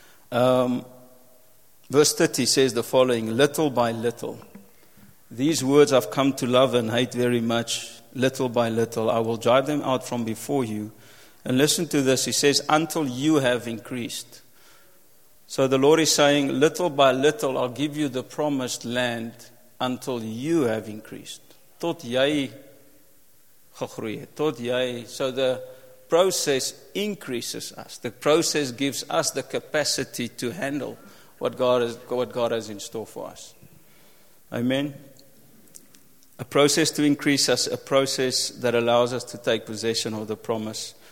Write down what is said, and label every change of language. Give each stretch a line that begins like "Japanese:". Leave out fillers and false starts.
English: Verse 30 says the following, little by little, these words I've come to love and hate very much, little by little, I will drive them out from before you. And listen to this, he says, until you have increased. So the Lord is saying, little by little, I'll give you the promised land until you have increased.
Afrikaans: Tot jy gegroei het, tot jy.
English: So the process increases us. The process gives us the capacity to handle what God has in store for us. Amen. A process to increase us, a process that allows us to take possession of the promise.